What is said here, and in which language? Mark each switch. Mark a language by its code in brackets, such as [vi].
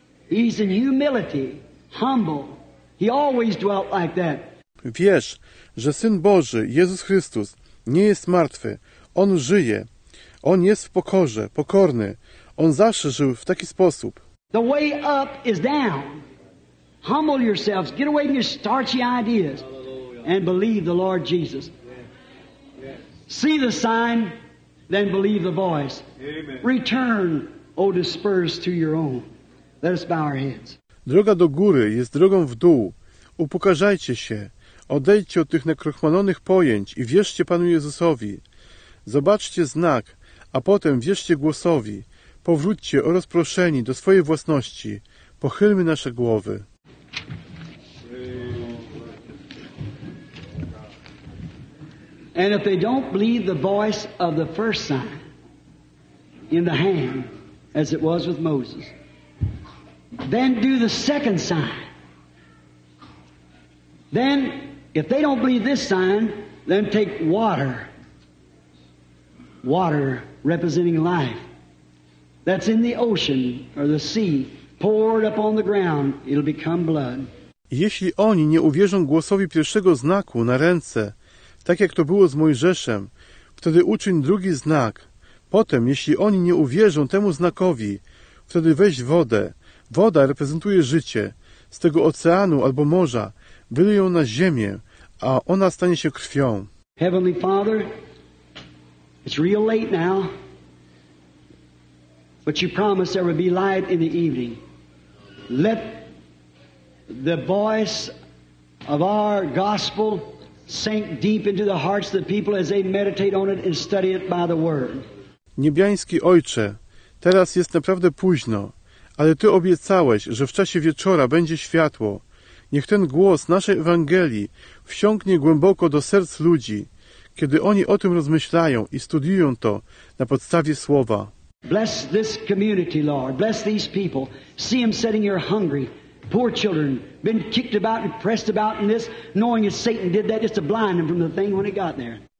[en] He's in humility, humble. He always dwelt like that. [pl] Wierz, że Syn Boży, Jezus Chrystus, nie jest martwy. On żyje. On jest w pokorze, pokorny. On zawsze żył w taki sposób. [en] The way up is down. Humble yourselves, get away from your starchy ideas and believe the Lord Jesus. See the sign, then believe the voice. Amen. Return, O dispersed, to your own. Let us bow our heads. [pl] Droga do góry jest drogą w dół. Upokarzajcie się. Odejdźcie od tych nakrochmalonych pojęć i wierzcie Panu Jezusowi. Zobaczcie znak, a potem wierzcie głosowi. Powróćcie, o rozproszeni, do swojej własności. Pochylmy nasze głowy. [en] And if they don't believe the voice of the first sign in the hand, as it was with Moses, then do the second sign. Then, if they don't believe this sign, then take water. Water representing life. That's in the ocean or the sea, poured up on the ground, it'll become blood. [pl] Jeśli oni nie uwierzą głosowi pierwszego znaku na ręce, tak jak to było z Mojżeszem, wtedy uczyń drugi znak. Potem, jeśli oni nie uwierzą temu znakowi, wtedy weź wodę. Woda reprezentuje życie. Z tego oceanu albo morza wyleją na ziemię, a ona stanie się krwią. [en] Heavenly Father, it's real late now. But you promised there would be light in the evening. Let the voice of our gospel sink deep into the hearts of the people as they meditate on it and study it by the word. [pl] Niebiański Ojcze, teraz jest naprawdę późno, ale Ty obiecałeś, że w czasie wieczora będzie światło. Niech ten głos naszej Ewangelii wsiąknie głęboko do serc ludzi, kiedy oni o tym rozmyślają i studiują to na podstawie słowa. [en] Bless this community, Lord. Bless these people. See them sitting here hungry. Poor children, been kicked about and pressed about in this, knowing that Satan did that just to blind them from the thing when it got there.